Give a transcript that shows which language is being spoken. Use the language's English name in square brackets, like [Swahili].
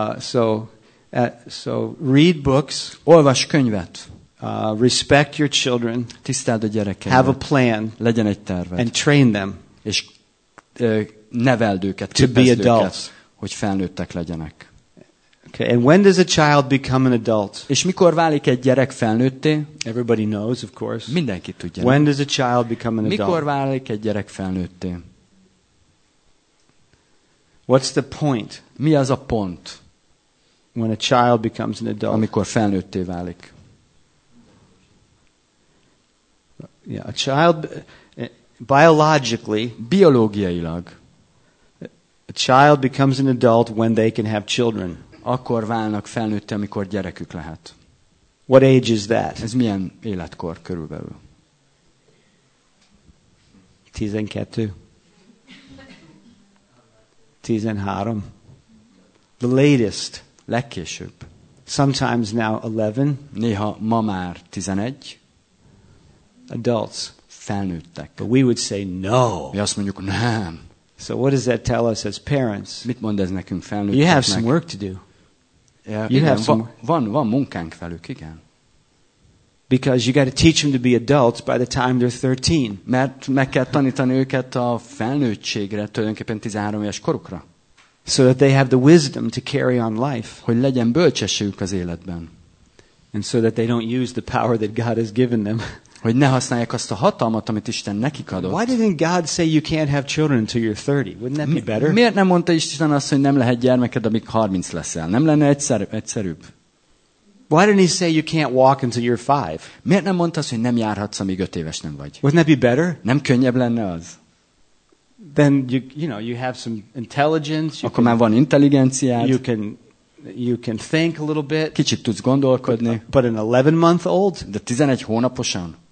[English] So read books. [Hungarian] Olvas könyvet. [English] Respect your children. [Hungarian] Tiszteld a gyerekeket. [English] Have a plan. [Hungarian] Legyen egy terved. [English] And train them. [Hungarian] és neveld őket, [English] to be adults, [Hungarian] hogy felnőttek legyenek. [English] Okay, and when does a child become an adult? [Hungarian] És mikor válik egy gyerek felnőtté? [English] Everybody knows, of course. [Hungarian] Mindenki tudja. [English] When does a child become an adult? [Hungarian] Mikor válik egy gyerek felnőtté? [English] What's the point? [Hungarian] Mi az a pont? [English] When a child becomes an adult. [Hungarian] Amikor felnőtté válik. [English] Yeah, a child biologically, [Hungarian] biológiailag, [English] a child becomes an adult when they can have children. [Hungarian] Akkor válnak felnőtté, amikor gyerekük lehet. [English] What age is that? [Hungarian] Ez milyen életkor körülbelül? [English] 12, 13, the latest. [Hungarian] Legkésőbb. [English] Sometimes now 11. [Hungarian] Néha ma már 11. [English] Adults. [Hungarian] Felnőttek. [English] But we would say no. [Hungarian] Mi azt mondjuk nem. [English] So what does that tell us as parents? [Hungarian] Mit mond ez nekünk felnőtteknek? [English] You have some work to do. Yeah, you have some. [Hungarian] Van munkánk velük, igen. [English] Because you got to teach them to be adults by the time they're 13. [Hungarian] Mert meg kell tanítani őket a felnőttségre, tulajdonképpen 13 éves korukra. [English] So that they have the wisdom to carry on life. [Hungarian] Hogy legyen bölcsességük az életben. [English] And so that they don't use the power that God has given them. [Hungarian] Hogy ne használják azt a hatalmat, amit Isten nekik adott. [English] Why didn't God say you can't have children until you're 30? Wouldn't that be better? [Hungarian] Miért nem mondta Isten azt, hogy nem lehet gyermeked, amíg 30 leszel? Nem lenne egyszerűbb? [English] Why didn't he say you can't walk until you're 5? [Hungarian] Miért nem mondta azt, hogy nem járhatsz, amíg 5 éves nem vagy? [English] Wouldn't that be better? [Hungarian] Nem könnyebb lenne az? [English] Then you know you have some intelligence. [Hungarian] Akkor már van intelligenciád. [English] You can think a little bit. [Hungarian] Kicsit tudsz gondolkodni. [English] But an 11-month-old? [Hungarian] De 11 hónaposan.